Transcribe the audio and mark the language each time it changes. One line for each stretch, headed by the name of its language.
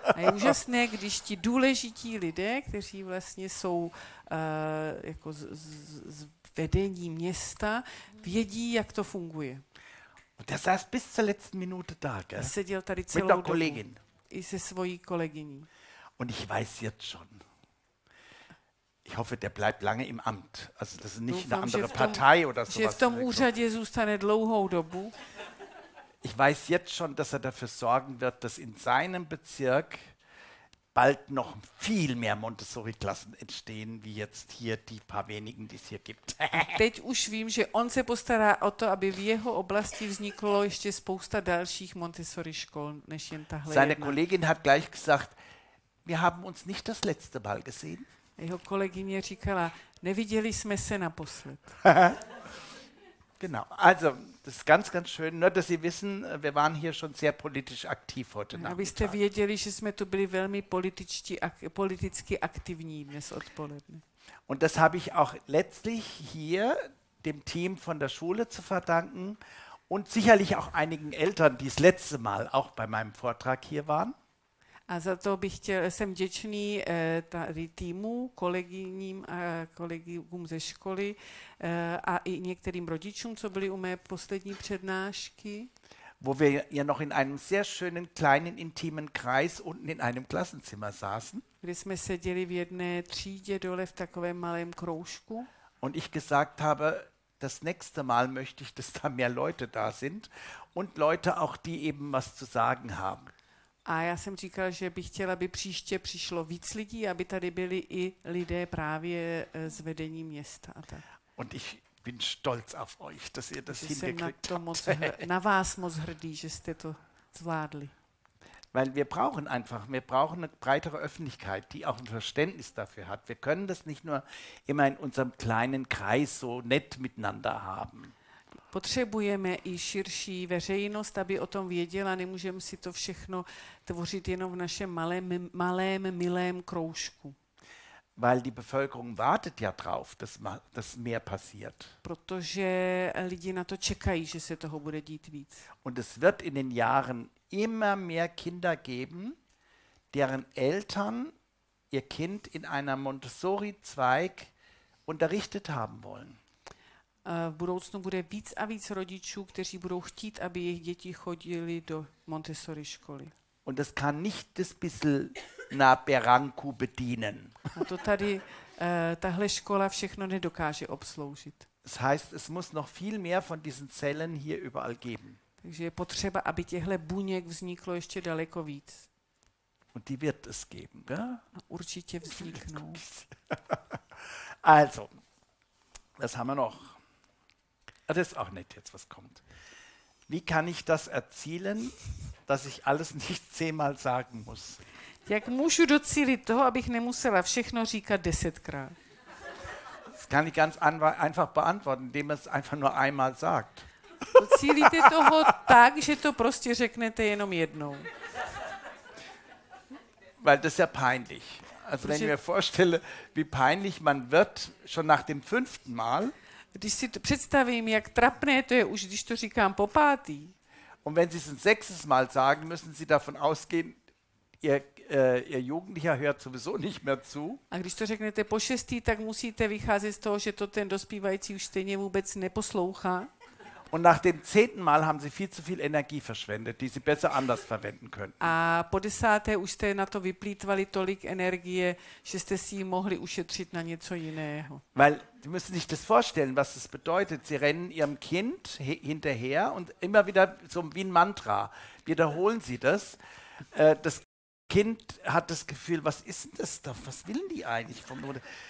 Czech: Je úžasné, když ti důležití lidé, kteří vlastně jsou jako z vedení města, vědí, jak to funguje.
German: Und der saß bis zur letzten Minute da, gell?
Czech: Seděl tady celou dobu.
German: Mit der Kollegin.
Czech: I se svojí kolegyní.
German: Und ich weiß jetzt schon. Ich hoffe, der bleibt lange im Amt. Also das ist nicht eine andere Partei oder sowas.
Czech: Že v tom úřadě zůstane dlouhou dobu.
German: Ich weiß jetzt schon, dass er dafür sorgen wird, dass in seinem Bezirk bald noch viel mehr Montessori-Klassen entstehen, wie jetzt hier die paar wenigen, die es hier gibt.
Czech: Teď už vím, že on se postará o to, aby v jeho oblasti vzniklo ještě spousta dalších Montessori-škol, než jen tahle jedna.
German: Seine Kollegin hat gleich gesagt, wir haben uns nicht das letzte Mal gesehen.
Czech: Jeho kolegyně říkala, neviděli jsme se naposled.
German: Genau, also das ist ganz, ganz schön, nur dass Sie wissen, wir waren hier schon sehr politisch aktiv heute Nachmittag.
Czech: Abyste věděli, že jsme tu byli velmi politicky aktivní dnes odpoledne.
German: Und das habe ich auch letztlich hier dem Team von der Schule zu verdanken und sicherlich auch einigen Eltern, die das letzte Mal auch bei meinem Vortrag hier waren.
Czech: A za to bych chtěl, jsem vděčný tady týmu, kolegyním a kolegům ze školy a i některým rodičům, co byli u mé poslední přednášky.
German: Wo wir ja noch in einem sehr schönen, kleinen, intimen Kreis unten in einem Klassenzimmer saßen.
Czech: Kde jsme seděli v jedné třídě dole v takovém malém kroužku.
German: Und ich gesagt habe, das nächste Mal möchte ich, dass da mehr Leute da sind und Leute auch, die eben was zu sagen haben.
Czech: A já jsem říkal, že bych chtěl, aby příště přišlo víc lidí, aby tady byli i lidé právě z vedení města. A tak.
German: Und ich bin stolz auf euch, dass ihr das hingekriegt habt.
Czech: Na vás moc hrdý, že jste to zvládli.
German: Weil wir brauchen eine breitere Öffentlichkeit, die auch ein Verständnis dafür hat. Wir können das nicht nur immer in unserem kleinen Kreis so nett miteinander haben.
Czech: Potřebujeme i širší veřejnost, aby o tom věděla, nemůžeme si to všechno tvořit jenom v našem malém milém kroužku.
German: Weil die Bevölkerung wartet ja drauf, dass mehr passiert.
Czech: Protože lidi na to čekají, že se toho bude dít víc.
German: Und es wird in den Jahren immer mehr Kinder geben, deren Eltern ihr Kind in einer Montessori-Zweig unterrichtet haben wollen.
Czech: V budoucnu bude víc a víc rodičů, kteří budou chtít, aby jejich děti chodili do Montessori školy.
German: Und das kann nicht das bisschen na Beranku bedienen.
Czech: A to tady tahle škola všechno nedokáže obsloužit.
German: Das heißt, es muss noch viel mehr von diesen Zellen hier überall geben.
Czech: Takže je potřeba, aby těchto buněk vzniklo ještě daleko víc.
German: Und die wird es geben, ja?
Czech: Určitě vzniknou.
German: Also, was haben wir noch? Das ist auch nett jetzt, was kommt. Wie kann ich das erzielen, dass ich alles nicht 10-mal sagen muss?
Czech: Jak můžu docílit toho, abych nemusela všechno říkat 10-krát?
German: Das kann ich ganz einfach beantworten, indem man es einfach nur einmal sagt.
Czech: Docílíte toho tak, že to prostě řeknete jenom jednou.
German: Weil das ist ja peinlich. Also wenn ich mir vorstelle, wie peinlich man wird schon nach dem fünften Mal.
Czech: Když si to představím, jak trapné to je už, když to říkám po pátý.
German: Und wenn Sie es ein sechstes Mal sagen, müssen Sie davon ausgehen, ihr Jugendlicher hört sowieso nicht mehr zu.
Czech: A když to řeknete po šestý, tak musíte vycházet z toho, že to ten dospívající už stejně vůbec neposlouchá.
German: Und nach dem zehnten Mal haben Sie viel zu viel Energie verschwendet, die Sie besser anders verwenden können.
Czech: A po desáté už jste na to vyplýtvali tolik energie, že jste si ji mohli ušetřit na něco jiného.
German: Weil Sie müssen sich das vorstellen, was das bedeutet. Sie rennen Ihrem Kind hinterher und immer wieder so wie ein Mantra. Wiederholen Sie das. Das Kind hat das Gefühl, was ist denn das da? Was wollen die eigentlich von mir?